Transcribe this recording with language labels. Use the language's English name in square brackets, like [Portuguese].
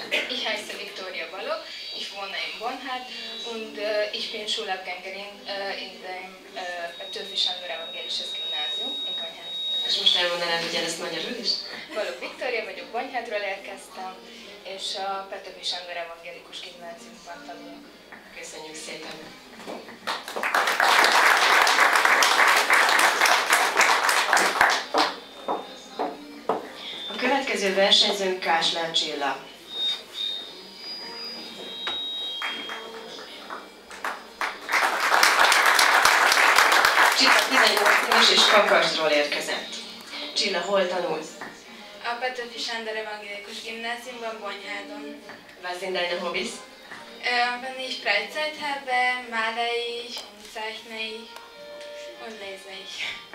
[German] Ich heiße Viktoria Balogh, ich wohne in Bonnhard und ich bin Schulabgängerin in dem Petőfi Sándor Evangelisches Gymnasium in Bonnhard. [Hungarian] És most elmondanád, hogy ezt magyarul is? Balogh Viktoria vagyok, Bonnhardról érkeztem, és a Petőfi Sándor Evangelikus Gimnáziumban tanulok. Köszönjük szépen! A következő versenyzőnk Káslán Csilla. Csilla 18 éves és Kakasról érkezett. Csilla, hol tanulsz? A Petőfi Sándor Evangélikus Gimnáziumban, Bonnyádon. [German] Was sind deine Hobbys? Wenn ich Freizeit habe, male ich, zeichne ich und lese ich.